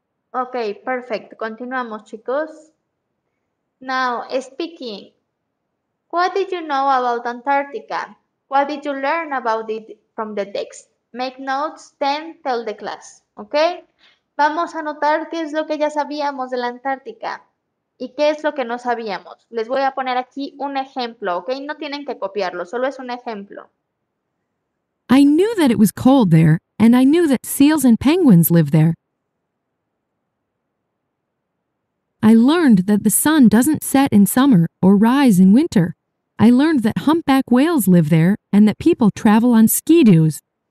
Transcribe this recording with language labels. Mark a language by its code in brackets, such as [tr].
[en] Okay, perfect. [es] Continuamos, chicos. [en] Now, speaking. What did you know about Antarctica? What did you learn about it from the text? Make notes, then tell the class. Okay? [es] Vamos a anotar qué es lo que ya sabíamos de la Antártica y qué es lo que no sabíamos. Les voy a poner aquí un ejemplo, okay? No tienen que copiarlo, solo es un ejemplo. [en] I knew that it was cold there, and I knew that seals and penguins live there. I learned that the sun doesn't set in summer or rise in winter. I learned that humpback whales live there and that people travel on ski-doos.